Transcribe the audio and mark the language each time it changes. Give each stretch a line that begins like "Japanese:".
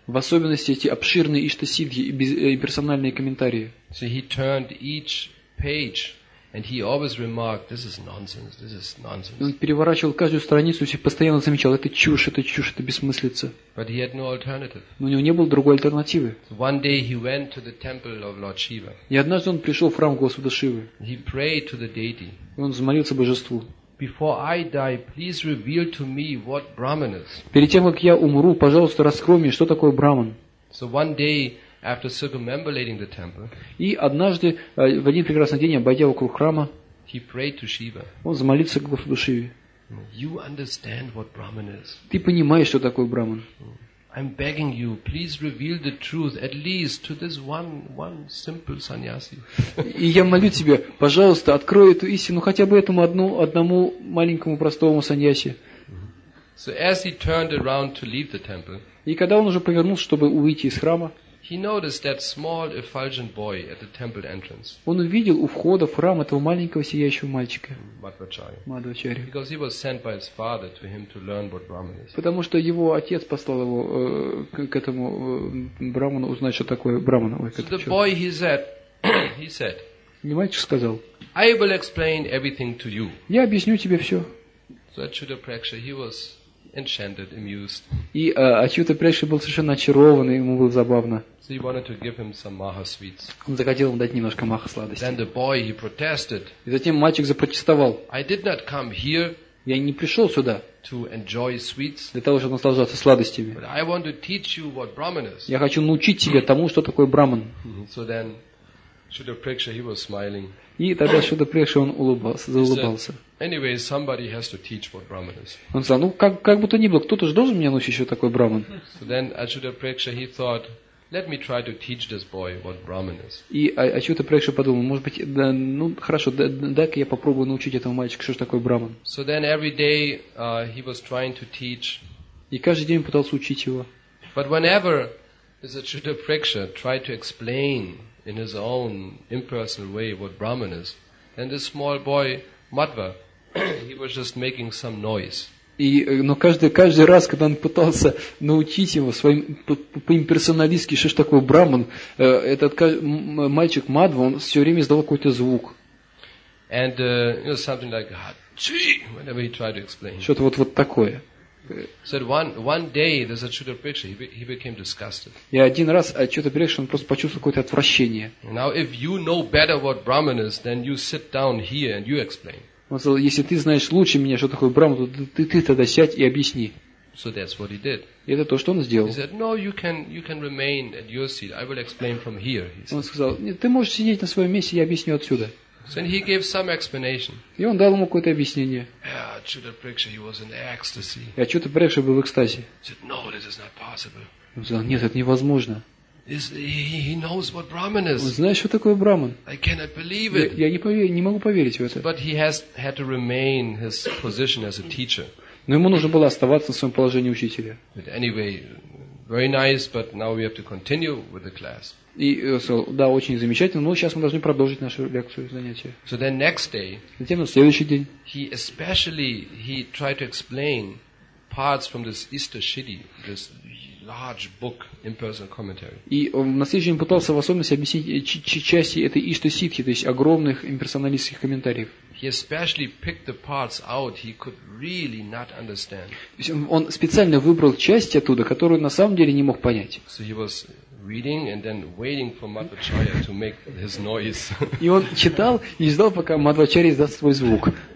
Russian: В особенности эти обширные Ishta Siddhi имперсональные комментарии.
English: So he turned each page, and he always remarked, "This is nonsense. This is nonsense."
Russian: Он переворачивал каждую страницу и постоянно замечал, это чушь, это чушь, это бессмыслица.
English: But he had no alternative.
Russian: Но у него не было другой альтернативы.
English: One day he went to the temple of Lord Shiva.
Russian: И однажды он пришел в храм Господа Шивы.
English: He prayed to the deity.
Russian: И он взмолился божеству.
English: Before I die, please reveal to me what Brahman is.
Russian: Перед тем как я умру, пожалуйста, раскрой мне, что такое Брахман.
English: So one day, after circumambulating the temple,
Russian: и однажды в один прекрасный день, обойдя вокруг храма,
English: he prayed to Shiva.
Russian: Он замолился к Господу Шиве.
English: You understand what Brahman is?
Russian: Ты понимаешь, что такое Брахман?
English: I'm begging you, please reveal the truth at least to this one simple sannyasi.
Russian: И я молю тебя, пожалуйста, открой эту истину хотя бы этому одному маленькому простому саньяси.
English: So as he turned around to leave the temple,
Russian: и когда он уже повернулся, чтобы уйти из храма,
English: He noticed that small effulgent boy at the temple entrance.
Russian: Он увидел у входа в храм этого маленького сияющего мальчика. Мадхвачарью.
English: Because he was sent by his father to him to learn what Brahman is.
Russian: Потому что его отец послал его к этому браману узнать, что такое брамана.
English: So the boy he said.
Russian: И мальчик сказал.
English: I will explain everything to you.
Russian: Я объясню тебе все.
English: So Achyuta Preksha, he was enchanted, amused.
Russian: И Achyuta Preksha был совершенно очарован, ему было забавно.
English: So he wanted to give him some maha sweets.
Russian: Он захотел ему дать немножко маха сладости.
English: Then the boy he protested.
Russian: И затем мальчик запротестовал.
English: I did not come here.
Russian: Я не пришел сюда.
English: To enjoy sweets.
Russian: Для того, чтобы наслаждаться сладостями.
English: But I want to teach you what Brahman is.
Russian: Я хочу научить тебя тому, что такое Брахман.
English: So then, Achyuta Preksha he was smiling.
Russian: И тогда Achyuta Preksha он улыбался.
English: Anyway, somebody has to teach what Brahman is.
Russian: Он сказал, ну как будто ни было, кто-то же должен меня научить, что такое Брахман.
English: So then Achyuta Preksha he thought, let me try to teach this boy what Brahman is.
Russian: И Achyuta Preksha подумал, может быть, да, ну хорошо, дай-ка я попробую научить этого мальчика, что же такое Брахман.
English: So then every day he was trying to teach.
Russian: И каждый день пытался учить его.
English: But whenever Achyuta Preksha tried to explain in his own impersonal way what Brahman is, then this small boy Madhva, he was just making some noise.
Russian: И, но каждый раз, когда он пытался научить его своим по-имперсоналистски, что ж такое Брахман, этот мальчик Мадва, он все время издавал какой-то звук.
English: And something like "Hachi!" whenever he tried to explain.
Russian: Что-то вот такое.
English: Said one day there's a Achyuta Preksha he became disgusted.
Russian: И один раз Achyuta Preksha он просто почувствовал какое-то отвращение.
English: Now if you know better what Brahman is, then you sit down here and you explain.
Russian: Он сказал, если ты знаешь лучше меня, что такое Брахман, то ты тогда сядь и объясни.
English: So that's what he did.
Russian: И это то, что он сделал.
English: He said, no, you can remain at your seat. I will explain from here.
Russian: Он сказал, ты можешь сидеть на своем месте, я объясню отсюда.
English: So he gave some explanation.
Russian: И он дал ему какое-то объяснение.
English: Achyuta Preksha, he was in ecstasy.
Russian: И Achyuta Preksha был в экстазе.
English: He said, no, this is not possible.
Russian: Он сказал, нет, это невозможно.
English: He knows what Brahman is.
Russian: Он знает, что такое Брахман.
English: I cannot believe it.
Russian: Я не могу поверить в это.
English: But he has had to remain his position as a teacher.
Russian: Но ему нужно было оставаться в своем положении учителя.
English: But anyway, very nice, but now we have to continue with the class.
Russian: И сказал, да, очень замечательно, но сейчас мы должны продолжить нашу лекцию, занятие.
English: So then next day,
Russian: затем на следующий день,
English: he tried to explain parts from this Easter Shiddhi, this large book, impersonal commentary.
Russian: И он на следующий день пытался в особенности объяснить части этой Easter Siddhi, то есть огромных имперсоналистских комментариев.
English: He especially picked the parts out he could really not understand.
Russian: Он специально выбрал части оттуда, которые на самом деле не мог понять.
English: So he was reading and then waiting for Madhvacharya to make his noise.
Russian: И он читал и ждал, пока Мадхвачарья издаст свой звук.